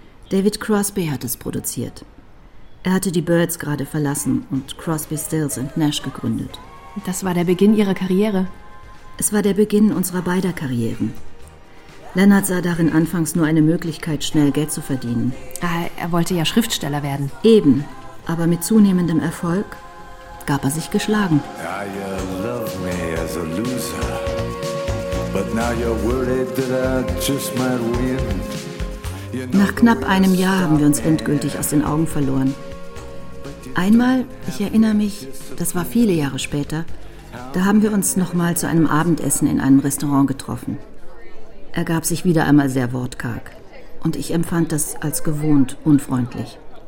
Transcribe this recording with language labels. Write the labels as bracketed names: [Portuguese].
[German] David Crosby hat es produziert. Er hatte die Birds gerade verlassen und Crosby, Stills und Nash gegründet. Das war der Beginn ihrer Karriere? Es war der Beginn unserer beider Karrieren. Lennart sah darin anfangs nur eine Möglichkeit, schnell Geld zu verdienen. Er wollte ja Schriftsteller werden. Eben, aber mit zunehmendem Erfolg gab er sich geschlagen. [English] You love me as a loser, but now you're worried that I just might win. [German] Nach knapp einem Jahr haben wir uns endgültig aus den Augen verloren. Einmal, ich erinnere mich, das war viele Jahre später, da haben wir uns nochmal zu einem Abendessen in einem Restaurant getroffen. Er gab sich wieder einmal sehr wortkarg und ich empfand das als gewohnt unfreundlich.